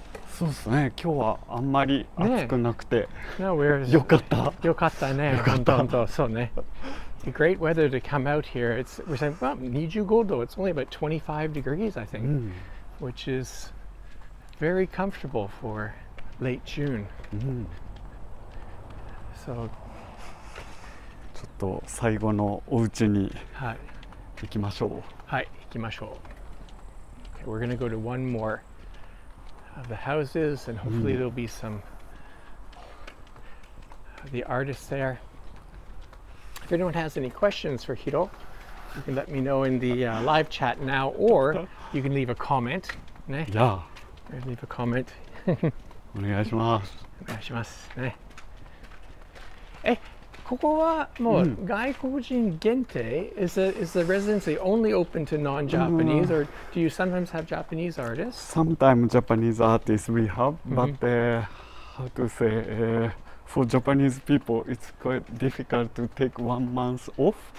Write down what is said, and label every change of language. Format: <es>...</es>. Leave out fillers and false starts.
<ja>そうですね。今日はあんまり暑くなくて。No, よかった。よかったね。本当、そうね。</ja> <en>Great weather to come out here. It's we're saying about 25°. It's only about 25 degrees, I think, which is very comfortable for late June. So,</en> <ja>ちょっと最後のお家に行きましょう。はい、行きましょう。</ja> <en>Okay, we're gonna go to one more of the houses, and hopefully there'll be some the artists there. If anyone has any questions for Hiro, you can let me know in the live chat now, or you can leave a comment.</en> <ja>Ne?</ja> <en>Yeah. Or leave a comment.</en> <ja>お願いします。お願いします。ね。ここはもう外国人限定?</ja> <en>Is the residency only open to non-Japanese, or do you sometimes have Japanese artists? Sometimes Japanese artists we have, but how to say, for Japanese people, it's quite difficult to take 1 month off.</en>